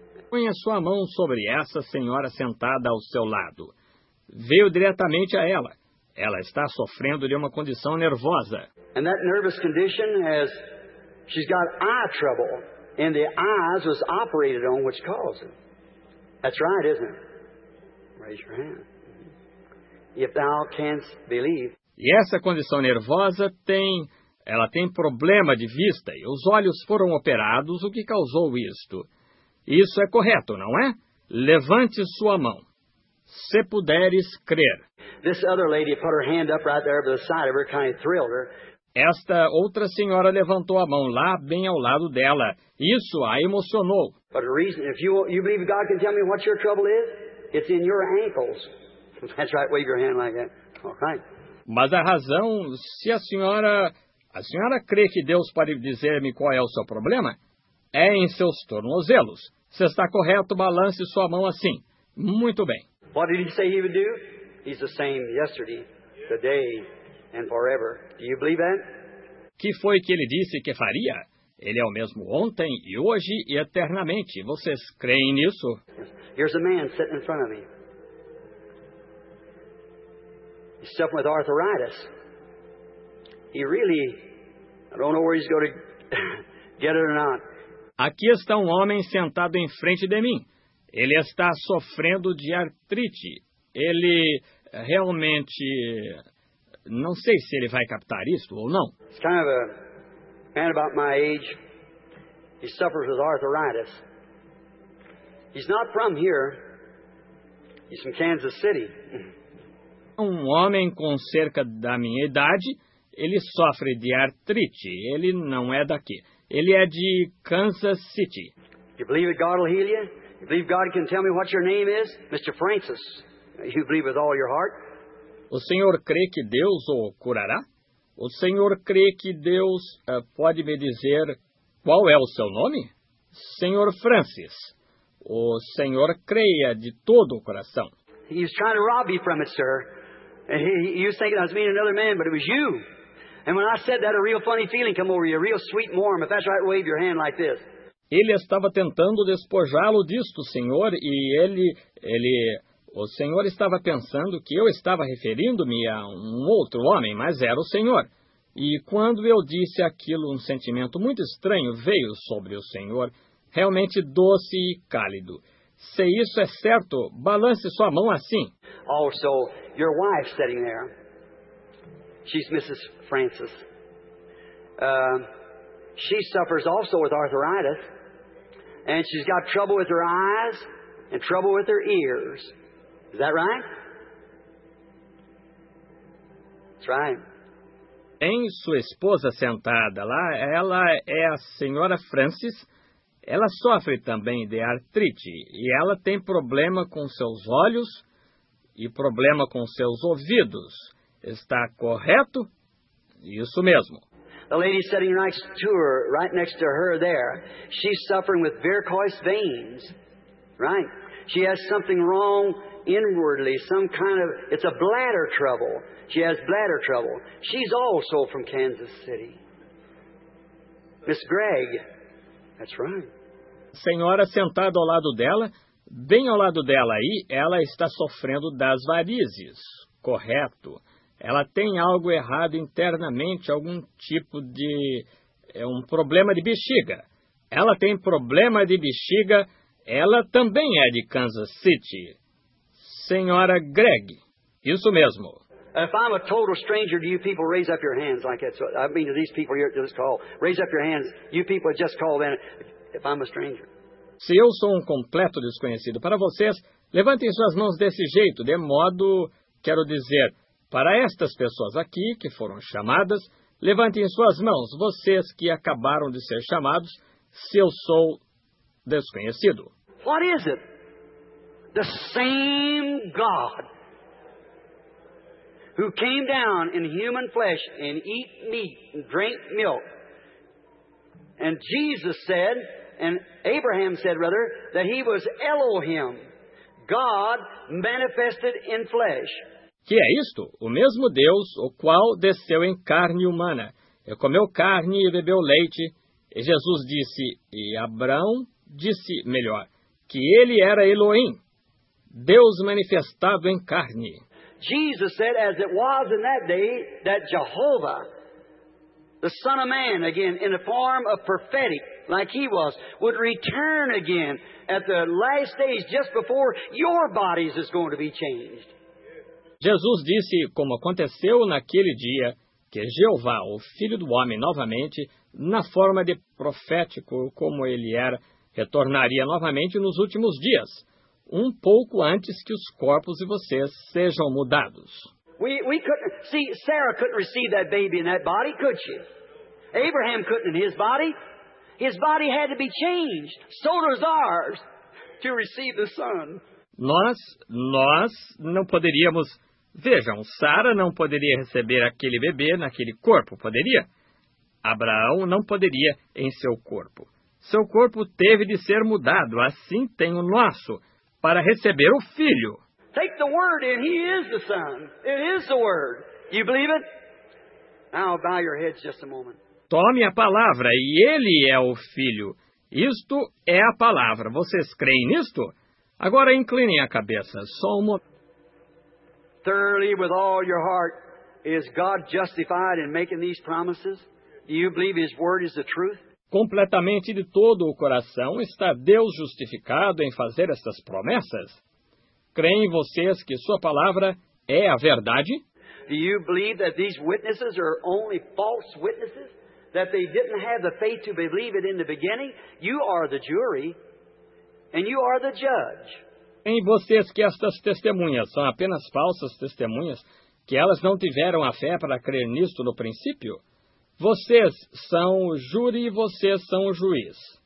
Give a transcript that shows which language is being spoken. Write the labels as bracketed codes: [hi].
[pt] Ponha sua mão sobre essa senhora sentada ao seu lado. Veio diretamente a ela. Ela está sofrendo de uma condição nervosa. [en] And that nervous condition has, she's got eye trouble. And the eyes was operated on which caused it. That's right, isn't it? Raise your hand. If thou canst believe. [pt] E essa condição nervosa tem... Ela tem problema de vista e os olhos foram operados, o que causou isto. Isso é correto, não é? Levante sua mão. Se puderes crer. [en] This other lady put her hand up right there by the side of her, kind of thrilled her. [pt] Esta outra senhora levantou a mão lá, bem ao lado dela. Isso a emocionou. [en] But the reason, if you believe God can tell me what your trouble is, it's in your ankles. That's right, wave your hand like that. All right. [pt] Mas a razão, se a senhora crê que Deus pode dizer-me qual é o seu problema, é em seus tornozelos. Se está correto, balance sua mão assim. Muito bem. [en] What did he say he would do? He's the same yesterday, today. And forever. Do you believe that? [pt] Que foi que ele disse que faria? Ele é o mesmo ontem e hoje e eternamente. Vocês creem nisso? [en] Here's a man sitting in front of me. He's suffering with arthritis. He really, I don't know where he's going to get it or not. [pt] Aqui está um homem sentado em frente de mim. Ele está sofrendo de artrite. Ele realmente... Não sei se ele vai captar isso ou não. [en] He's kind of a man about my age. He suffers with arthritis. He's not from here. He's from Kansas City. [pt] Um homem com cerca da minha idade, ele sofre de artrite. Ele não é daqui. Ele é de Kansas City. [en] You believe that God will heal you? You believe God can tell me what your name is? Mr. Francis. You believe with all your heart? [pt] O senhor crê que Deus o curará? O senhor crê que Deus pode me dizer qual é o seu nome? Senhor Francis, o senhor creia de todo o coração. [en] He was trying to rob me from it, sir. He was thinking I was meeting another man, but it was you. And when I said that, a real funny feeling came over you, a real sweet warm. If that's right, wave your hand like this. [pt] Ele estava tentando despojá-lo disto, senhor, e ele... O senhor estava pensando que eu estava referindo-me a um outro homem, mas era o senhor. E quando eu disse aquilo, um sentimento muito estranho veio sobre o senhor, realmente doce e cálido. Se isso é certo, balance sua mão assim. [en] Also, your wife sitting there. She's Mrs. Francis. She suffers also with arthritis. And she's got trouble with her eyes and trouble with her ears. Is that right? That's right. [pt] Em sua esposa sentada lá, ela é a senhora Francis. Ela sofre também de artrite e ela tem problema com seus olhos e problema com seus ouvidos. Está correto? Isso mesmo. [en] The lady sitting next to her, right next to her there, she's suffering with varicose veins, right? She has something wrong inwardly, some kind of, it's a bladder trouble. She has bladder trouble. She's also from Kansas City. Miss Gregg, that's right. [pt] A senhora sentada ao lado dela, bem ao lado dela aí, ela está sofrendo das varizes, correto. Ela tem algo errado internamente, algum tipo de... é um problema de bexiga. Ela tem problema de bexiga, ela também é de Kansas City. Senhora Gregg, isso mesmo. [en] If I'm a total stranger, do you people raise up your hands like that? So, I mean, to these people here at this call, raise up your hands. You people just call in if I'm a stranger. [pt] Se eu sou um completo desconhecido para vocês, levantem suas mãos desse jeito, de modo, quero dizer... para estas pessoas aqui que foram chamadas, levantem suas mãos, vocês que acabaram de ser chamados, se eu sou desconhecido. [en] What is it? The same God who came down in human flesh and eat meat and drank milk. And Jesus said, and Abraham said rather, that he was Elohim, God manifested in flesh. [pt] Que é isto? O mesmo Deus, o qual desceu em carne humana, e comeu carne e bebeu leite. E Jesus disse, e Abraão disse, melhor, que ele era Elohim, Deus manifestado em carne. [en] Jesus said, as it was in that day, that Jehovah, the Son of Man, again, in the form of prophetic, like he was, would return again at the last days, just before your bodies is going to be changed. [pt] Jesus disse, como aconteceu naquele dia, que Jeová, o Filho do Homem, novamente, na forma de profético como ele era, retornaria novamente nos últimos dias, um pouco antes que os corpos de vocês sejam mudados. [en] We couldn't see Sarah couldn't receive that baby in that body, could she? Abraham couldn't in his body. His body had to be changed, so does ours, to receive the Son. [pt] Nós não poderíamos. Vejam, Sara não poderia receber aquele bebê naquele corpo, poderia? Abraão não poderia em seu corpo. Seu corpo teve de ser mudado, assim tem o nosso, para receber o filho. [en] Take the word and he is the son. It is the word. You believe it? Now bow your heads just a moment. [pt] Tome a palavra e ele é o filho. Isto é a palavra. Vocês creem nisto? Agora inclinem a cabeça. Só um momento. [en] Thoroughly with all your heart, is God justified in making these promises? Do you believe his word is the truth? [pt] Completamente de todo o coração, está Deus justificado em fazer estas promessas? Creem vocês que sua palavra é a verdade? [en] Do you believe that these witnesses are only false witnesses? That they didn't have the faith to believe it in the beginning? You are the jury, and you are the judge. [pt] Em vocês que estas testemunhas são apenas falsas testemunhas, que elas não tiveram a fé para crer nisto no princípio? Vocês são o júri e vocês são o juiz.